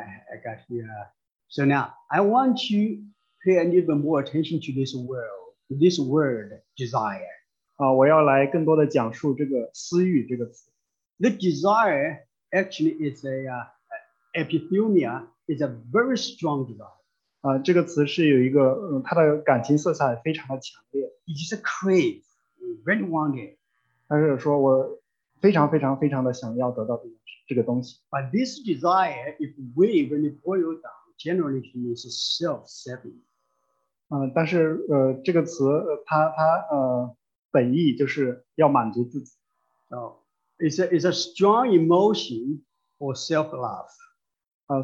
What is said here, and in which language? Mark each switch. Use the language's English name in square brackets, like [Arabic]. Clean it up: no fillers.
[English] I got here. So now, I want to pay an even more attention to this world, this word, desire. [Chinese] 我要来更多的讲述这个私欲这个词。 [English] The desire actually is epithumia, is a very strong desire. [Chinese] 这个词是有一个它的感情色彩非常的强烈。 [English] It is a crave, really want it. [Chinese] 但是说我非常非常非常的想要得到这个。这个东西。 [English] But this desire, if we really boil down, generally means self-serving. [Chinese] 但是这个词它本意就是要满足自己。 [English] So, it's a strong emotion for self-love.